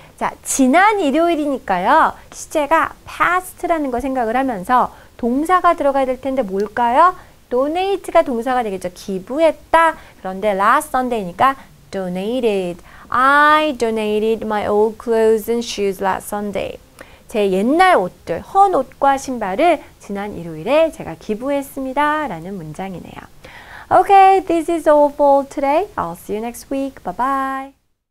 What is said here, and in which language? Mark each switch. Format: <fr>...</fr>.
<ko>자, 지난 일요일이니까요. 시제가 past라는 거 생각을 하면서 동사가 들어가야 될 텐데 뭘까요? Donate가 동사가 되겠죠. 기부했다. 그런데 last Sunday니까 donated.</ko> <en>I donated my old clothes and shoes last Sunday.</en> <ko>제 옛날 옷들, 헌 옷과 신발을 지난 일요일에 제가 기부했습니다. 라는 문장이네요.</ko> <en>Okay, this is all for today. I'll see you next week. Bye-bye.</en>